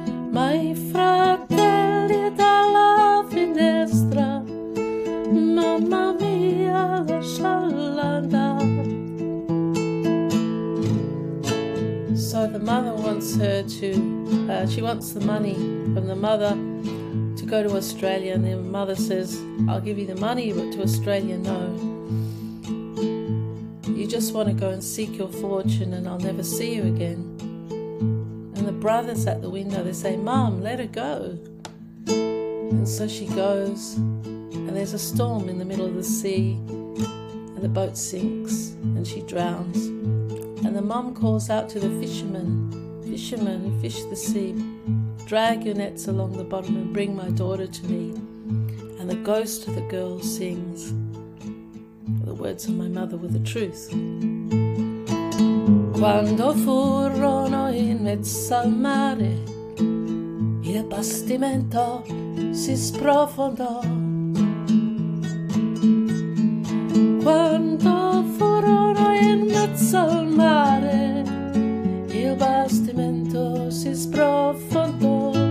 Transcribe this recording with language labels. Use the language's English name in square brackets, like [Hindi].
[Italian] Mai fratelli dalla finestra, mamma mia, lasciala andare. [English] So the mother wants her to, she wants the money from the mother to go to Australia, and the mother says, I'll give you the money, but to Australia, no. You just want to go and seek your fortune and I'll never see you again. And the brothers at the window, they say, Mom, let her go. And so she goes, and there's a storm in the middle of the sea, and the boat sinks, and she drowns. And the mom calls out to the fishermen, Fishermen, fish the sea, drag your nets along the bottom and bring my daughter to me. And the ghost of the girl sings, the words of my mother were the truth. [Italian] Quando furono in mezzo al mare, il bastimento si sprofondò. Quando furono in mezzo al mare, il bastimento si sprofondò.